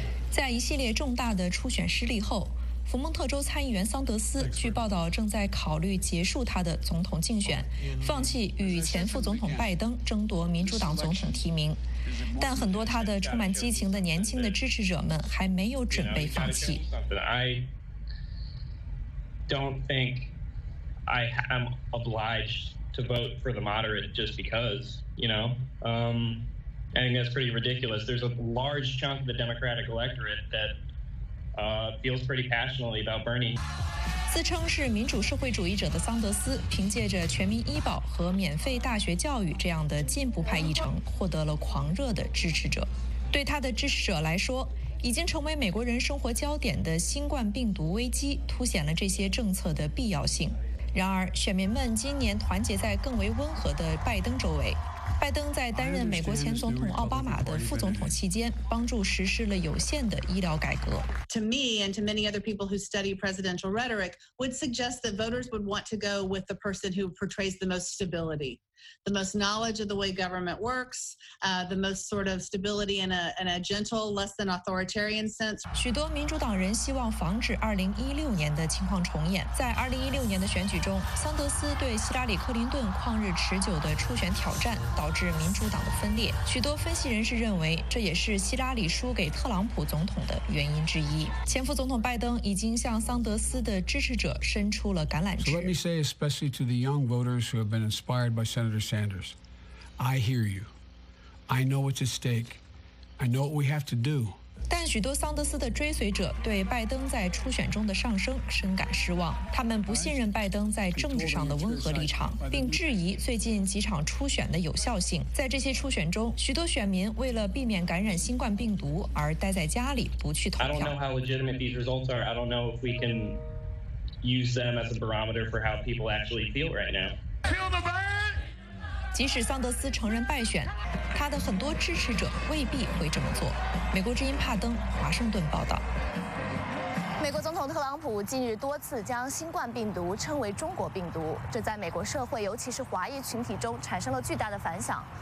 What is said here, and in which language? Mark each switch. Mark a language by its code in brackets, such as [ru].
[zh] 在一系列重大的初选失利后，福蒙特州参议员桑德斯据报道正在考虑结束他的总统竞选，放弃与前副总统拜登争夺民主党总统提名，但很多他的充满激情的年轻的支持者们还没有准备放弃。 [en] I don't think I am obligedto vote for the moderate just because, you know, I think that's pretty ridiculous. There's a large chunk of the Democratic electorate that feels pretty passionately about Bernie. [zh] 自称是民主社会主义者的桑德斯，凭借着全民医保和免费大学教育这样的进步派议程，获得了狂热的支持者。对他的支持者来说，已经成为美国人生活焦点的新冠病毒危机，凸显了这些政策的必要性。然而，选民们今年团结在更为温和的拜登周围，拜登在担任美国前总统奥巴马的副总统期间，帮助实施了有限的医疗改革。 [en] To me and to many other people who study presidential rhetoric, would suggest that voters would want to go with the person who portrays the most stability, the most knowledge of the way government works, the most sort of stability in a gentle, less than authoritarian sense. [zh] 许多民主党人希望防止2016年的情况重演。在2016年的选举中，桑德斯对希拉里·克林顿旷日持久的初选挑战导致民主党的分裂。许多分析人士认为，这也是希拉里输给特朗普总统的原因之一。前副总统拜登已经向桑德斯的支持者伸出了橄榄枝。 [en] So let me say, especially to the young voters who have been inspired by Senator Sanders, I hear you. I know what's at stake. I know what we have to do. [zh] 但许多桑德斯的追随者对拜登在初选中的上升深感失望。他们不信任拜登在政治上的温和立场，并质疑最近几场初选的有效性。在这些初选中，许多选民为了避免感染新冠病毒而待在家里，不去投票。 [en] I don't know how legitimate these results are. I don't know if we can use them as a barometer for how people actually feel right now. Feel the burn! [zh] 即使桑德斯承认败选，他的很多支持者未必会这么做。美国之音帕登，华盛顿报道。美国总统特朗普近日多次将新冠病毒称为中国病毒，这在美国社会，尤其是华裔群体中产生了巨大的反响。